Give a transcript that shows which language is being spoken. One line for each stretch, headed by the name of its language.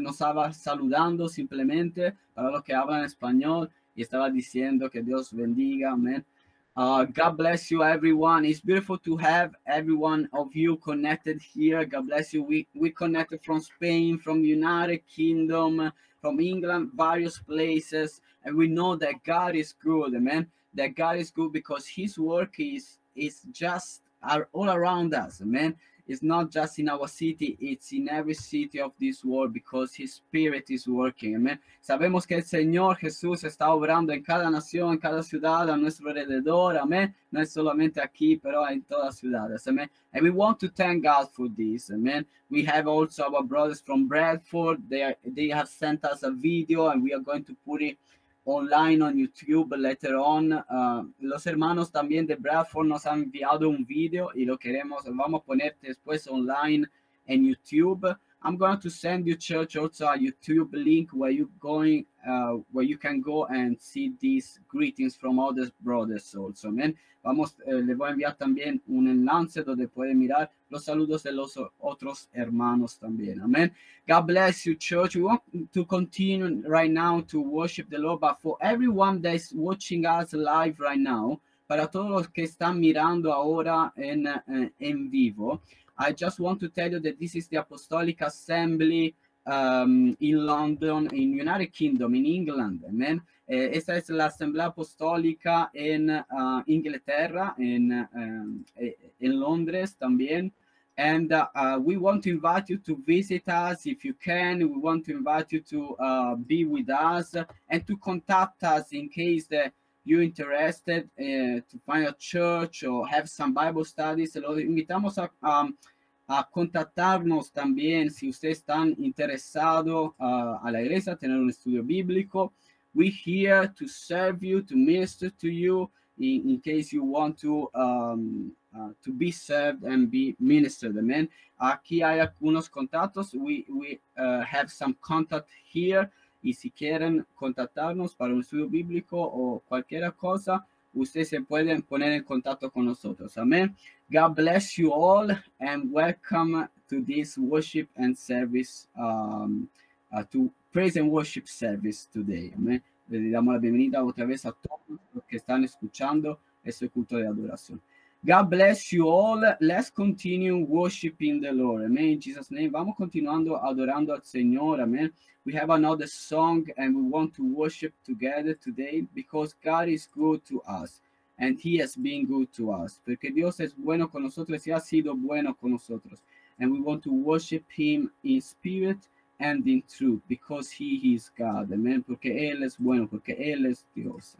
Spanish: Nos estaba saludando simplemente para los que hablan español. Y estaba diciendo que Dios bendiga, amen.
English: God bless you, everyone. It's beautiful to have every one of you connected here. God bless you. We connected from Spain, from United Kingdom, from England, various places. And we know that God is good, amen. That God is good because His work is just all around us, amen. It's not just in our city, it's in every city of this world because His Spirit is working, amen.
Spanish: Sabemos que el Señor Jesús está obrando en cada nación, en cada ciudad, a nuestro alrededor, amen. No es solamente aquí, pero en todas ciudades, amen.
English: And we want to thank God for this, amen. We have also our brothers from Bradford. They have sent us a video and we are going to put it online on YouTube later on.
Spanish: Los hermanos también de Bradford nos han enviado un video y lo queremos, vamos a poner después online en YouTube.
English: I'm going to send you, church, also a YouTube link where you're going, where you can go and see these greetings from other brothers also, amen.
Spanish: Vamos, le voy a enviar también un enlace donde puede mirar los saludos de los otros hermanos también, amen.
English: God bless you, church. We want to continue right now to worship the Lord, but for everyone that's watching us live right now,
Spanish: para todos los que están mirando ahora en vivo,
English: I just want to tell you that this is the Apostolic Assembly in London, in United Kingdom, in England. Amen.
Spanish: Esta es la Asamblea Apostólica en Inglaterra, en Londres también.
English: And we want to invite you to visit us if you can. We want to invite you to be with us and to contact us in case that you're interested to find a church or have some Bible studies.
Spanish: Lo invitamos a contactarnos también si ustedes están interesados a la iglesia, tener un estudio bíblico.
English: We're here to serve you, to minister to you, in case you want to be served and be ministered, amen.
Spanish: Aquí hay algunos contactos,
English: we have some contact here,
Spanish: y si quieren contactarnos para un estudio bíblico o cualquier cosa, ustedes se pueden poner en contacto con nosotros. Amen.
English: God bless you all and welcome to this worship and service, to praise and worship service today. Amen.
Spanish: Le damos la bienvenida otra vez a todos los que están escuchando ese culto de adoración.
English: God bless you all. Let's continue worshiping the Lord. Amen. In Jesus' name.
Spanish: Vamos continuando adorando al Señor. Amen.
English: We have another song and we want to worship together today because God is good to us and He has been good to us.
Spanish: Porque Dios es bueno con nosotros y ha sido bueno con nosotros.
English: And we want to worship Him in spirit and in truth because He is God. Amen.
Spanish: Porque Él es bueno, porque Él es Dios.